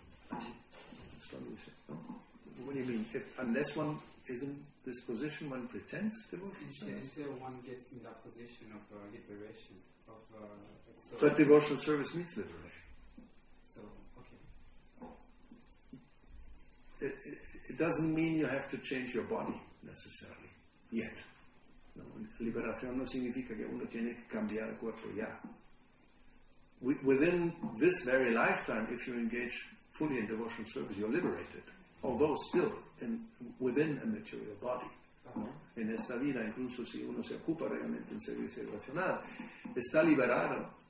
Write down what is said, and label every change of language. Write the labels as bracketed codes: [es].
[en] That's what we say, no? What do you mean? Unless one is in this position, one pretends to devotional service? Until one gets in that position of liberation. Of, but devotional service means liberation. So, okay. It doesn't mean you have to change your body necessarily yet. [es] No, liberación no significa que uno tiene que cambiar el cuerpo ya. [en] Within this very lifetime, if you engage fully in devotional service, you're liberated. although still in, within a material body. [es] En esta vida, incluso si uno se ocupa realmente en servicio relacional, está liberado.